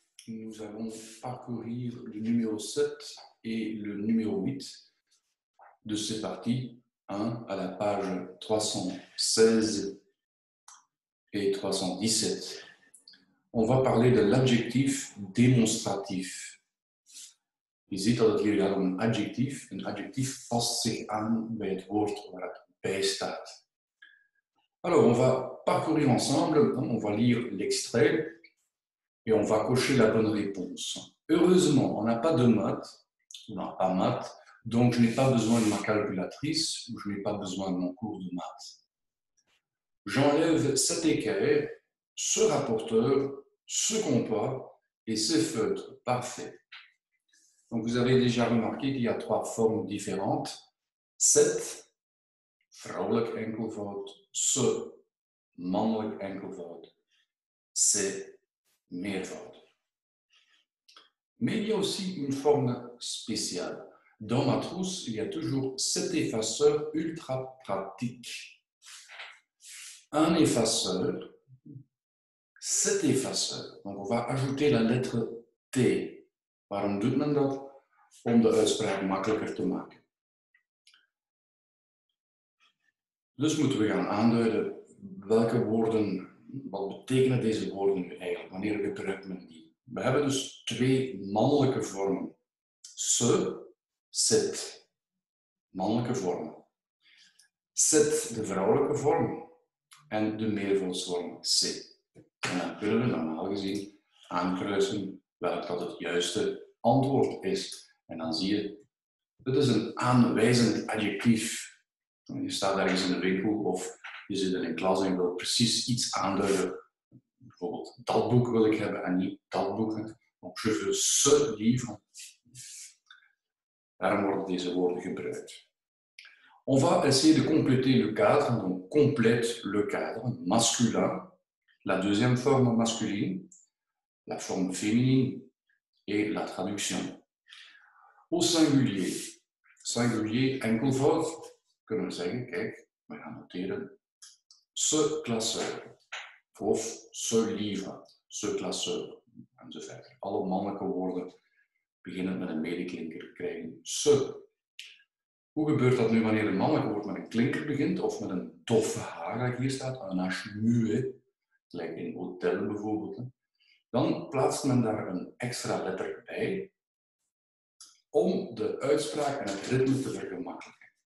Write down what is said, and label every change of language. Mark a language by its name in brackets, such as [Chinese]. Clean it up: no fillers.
[French] Nous allons parcourir le numéro 7 et le numéro 8 de ces parties, hein, à la page 316 et 317. On va parler de l'adjectif démonstratif. [Dutch] Je ziet dat het hier gaat om een adjectief. Een adjectief past zich aan bij het woord waar het bij staat. [French] Alors, on va parcourir ensemble, hein, on va lire l'extrait. Et on va cocher la bonne réponse. Heureusement, on n'a pas de maths, on n'a pas maths, donc je n'ai pas besoin de ma calculatrice, ou je n'ai pas besoin de mon cours de maths. J'enlève cet équerre, ce rapporteur, ce compas et ce feutre. Parfait. Donc vous avez déjà remarqué qu'il y a trois formes différentes. [Dutch] Cet, vrouwelijk enkelvoud, ce, mannelijk enkelvoud, c'est. Meervoud. [French] Mais il y a aussi une forme spéciale. Dans ma trousse, il y a toujours cet effaceur ultra pratique. Un effaceur, cet effaceur. Donc on va ajouter la lettre T. [Dutch] Waarom doet men dat? Om de uitspraak makkelijker te maken. Dus moeten we gaan aanduiden welke woorden. Wat betekenen deze woorden nu eigenlijk? Wanneer gebruikt men die? We hebben dus twee mannelijke vormen. Ce, cet. Mannelijke vormen. Cet, de vrouwelijke vorm. En de meervoudsvorm, c'est. En dan kunnen we normaal gezien aankruisen welk dat het juiste antwoord is. En dan zie je, het is een aanwijzend adjectief. Je staat ergens in de winkel of... Je zit in een klas en je wilt precies iets aanduiden. Bijvoorbeeld, dat boek wil ik hebben en niet dat boek. [French] Donc, je veux ce livre. [Dutch] Daarom worden deze woorden gebruikt. [French] On va essayer de compléter le cadre. Donc, complète le cadre. Masculin. La deuxième forme masculine. La forme féminine. Et la traduction. Au singulier. Singulier, enkelvoud. [Dutch] Kunnen we zeggen, kijk, we gaan noteren. [French] Ce classeur, of ce livre, ce classeur, enzovoort. [Dutch] Alle mannelijke woorden beginnen met een medeklinker, krijgen ce. Hoe gebeurt dat nu wanneer een mannelijk woord met een klinker begint, of met een toffe H, dat hier staat, een H muet, lijkt in hotel bijvoorbeeld. Dan plaatst men daar een extra letter bij, om de uitspraak en het ritme te vergemakkelijken.